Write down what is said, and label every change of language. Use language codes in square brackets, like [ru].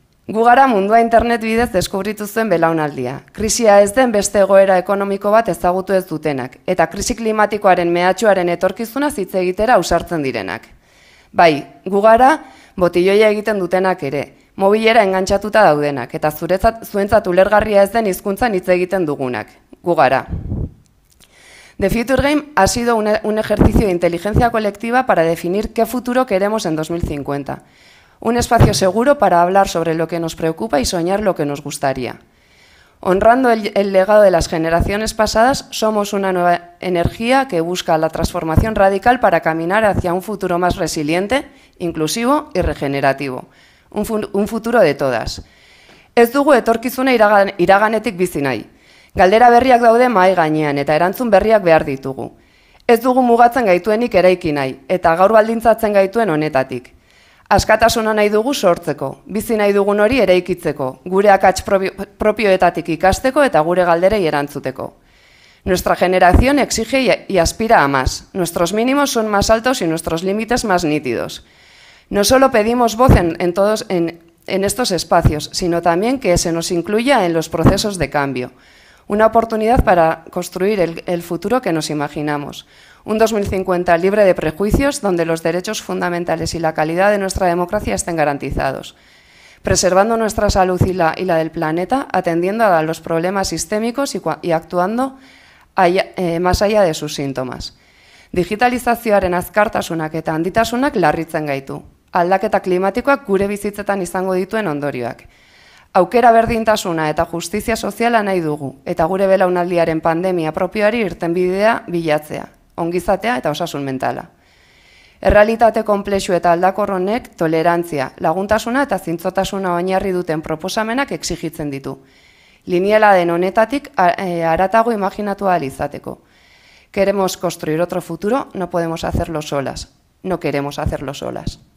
[eu] Gu gara mundua internet bidez deskubritu zuen belaunaldia. Krisia ez den beste egoera ekonomiko bat ezagutu ez dutenak, eta krisi klimatikoaren mehatxuaren etorkizuna hitz egitera ausartzen direnak. Bai, gu gara botilloia egiten dutenak ere, mobilera engantxatuta daudenak, eta zuentzat ulergarria ez den hizkuntzan hitz egiten dugunak. Gu gara. [es] The Future Game ha sido un ejercicio de inteligencia colectiva para definir qué futuro queremos en 2050. Un espacio seguro para hablar sobre lo que nos preocupa y soñar lo que nos gustaría. Honrando el legado de las generaciones pasadas, somos una nueva energía que busca la transformación radical para caminar hacia un futuro más resiliente, inclusivo y regenerativo. Un futuro de todas. [eu] Ez dugu etorkizuna iraganetik bizi nahi. Galdera berriak daude mahai gainean eta erantzun berriak behar ditugu. Ez dugu mugatzen gaituenik eraiki nahi eta gaur baldintzatzen gaituen honetatik. Askatasuna nahi dugu sortzeko, bizi nahi dugun hori eraikitzeko, gure akats propioetatik ikasteko eta gure galderei erantzuteko. [es] Nuestra generación exige y aspira a más. Nuestros mínimos son más altos y nuestros límites más nítidos. No solo pedimos voz en estos espacios, sino también que se nos incluya en los procesos de cambio. una oportunidad para construir el futuro que nos imaginamos. Un 2050 libre de prejuicios, donde los derechos fundamentales y la calidad de nuestra democracia estén garantizados, preservando nuestra salud y la del planeta, atendiendo a los problemas sistémicos y actuando más allá de sus síntomas. [eu] Digitalizazioaren azkartasunak eta handitasunak larritzen gaitu. Aldaketa klimatikoak gure bizitzetan izango dituen ondorioak. Aukera berdintasuna eta justizia soziala nahi dugu, eta gure belaunaldiaren pandemia propioari irtenbidea bilatzea, ongizatea eta osasun mentala. Errealitate konplexu eta aldakor honek tolerantzia, laguntasuna eta zintzotasuna oinarri duten proposamenak exigitzen ditu. Lineala den honetatik haratago imaginatu ahal izateko. [es] Queremos construir otro futuro, no podemos hacerlo solas. No queremos hacerlo solas.